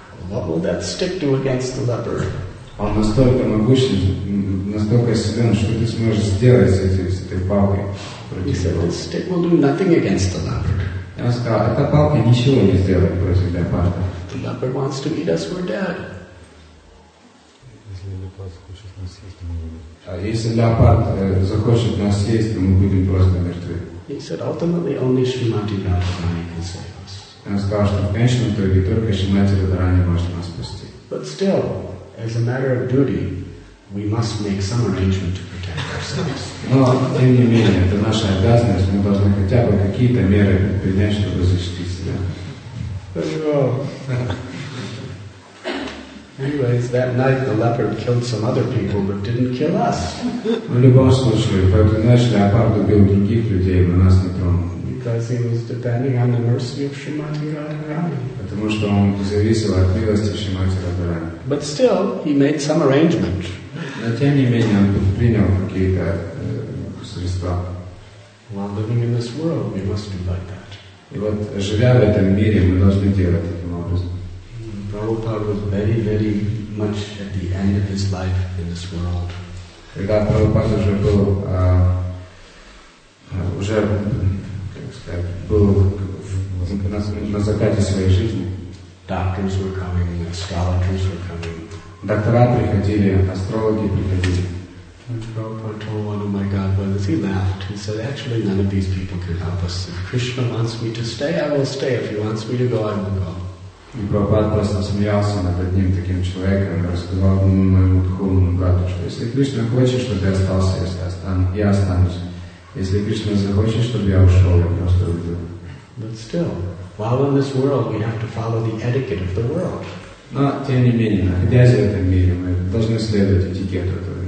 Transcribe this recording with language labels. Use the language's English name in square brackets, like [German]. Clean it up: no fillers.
[English] What will that stick do against the leopard? [Russian] Он настолько могучий, настолько силен, что ты сможешь сделать с этой палкой. [English] He said, "This stick will do nothing against the leopard." [Russian] Я сказал, эта палка ничего не сделает против леопарда. [English] The leopard wants to eat us, we're dead. [Russian] А если леопард захочет нас съесть, то мы будем просто мертвы. [English] He said, "Ultimately, only Srimati Radharani can save us." [Russian] Он сказал, что в конечном итоге только Шримати Радхарани может нас спасти. [English] But still, as a matter of duty, we must make some arrangement to protect ourselves. [Russian] Но тем не менее, это наша обязанность. Мы должны хотя бы какие-то меры предпринять, чтобы защитить себя. [English] Anyways, that night the leopard killed some other people, but didn't kill us. [Russian] В любом случае, в эту ночь леопард убил других людей, но нас не тронул. [English] Because he was depending on the mercy of Srimati Radharani. [Russian] Потому что он зависел от милости Шримати Радхарани. [English] But still, he made some arrangement. [Russian] Но тем не менее, он принял какие-то средства. [English] While living in this world, we must do like that. [Russian] И вот, живя в этом мире, мы должны делать таким образом. [English] Prabhupada was very, very much at the end of his life in this world. [Russian] Когда Прабхупада уже был, уже, как сказать, был на закате своей жизни. [English] Doctors were coming, astrologers were coming. [Russian] Доктора приходили, астрологи приходили. [English] And Prabhupada told one of my godbrothers, he laughed. He said, "Actually, none of these people can help us. If Krishna wants me to stay, I will stay. If he wants me to go, I will go." [Russian] И Прабхупад просто смеялся над одним таким человеком и рассказал моему духовному брату, что если Кришна хочет, чтобы я остался, если я останусь. Если Кришна захочет, чтобы я ушел, я просто уйду. [English] But still, while in this world, we have to follow the etiquette of the world. [Russian] Но, тем не менее, находясь в этом мире, мы должны следовать этикету этого мира.